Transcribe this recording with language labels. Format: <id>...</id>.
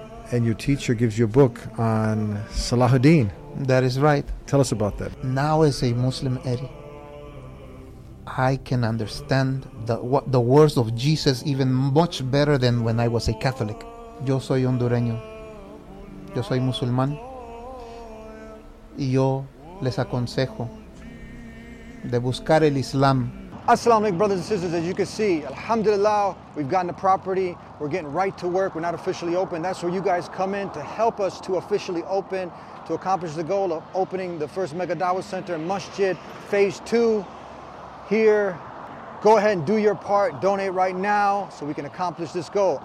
<en>And your teacher gives you a book on Salahuddin. That is right. Tell us about that. Now as a Muslim, Eddie, I can understand the words of Jesus even much better than when I was a Catholic.</en> <es>Yo soy hondureño. Yo soy musulmán. Y yo les aconsejo de buscar el Islam.</es> <ar>As-salamu alaykum,</ar> <en>brothers and sisters. As you can see, alhamdulillah, we've gotten a property. We're getting right to work. We're not officially open. That's where you guys come in to help us to officially open, to accomplish the goal of opening the first Mega Dawah Center in Masjid Phase 2. Here, go ahead and do your part. Donate right now so we can accomplish this goal.</en>